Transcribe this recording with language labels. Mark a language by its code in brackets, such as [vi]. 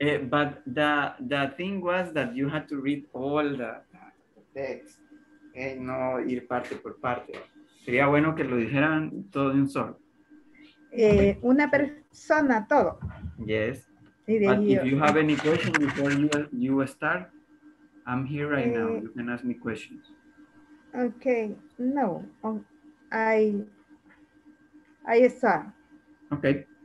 [en] But the thing was that you had to read all the text. [es] Okay? No ir parte por parte. Sería bueno que lo dijeran todo de un solo. Una persona, todo. [en] Yes. But if you have any question before you start, I'm here right now. You can ask me questions. Okay. No. I start. Okay.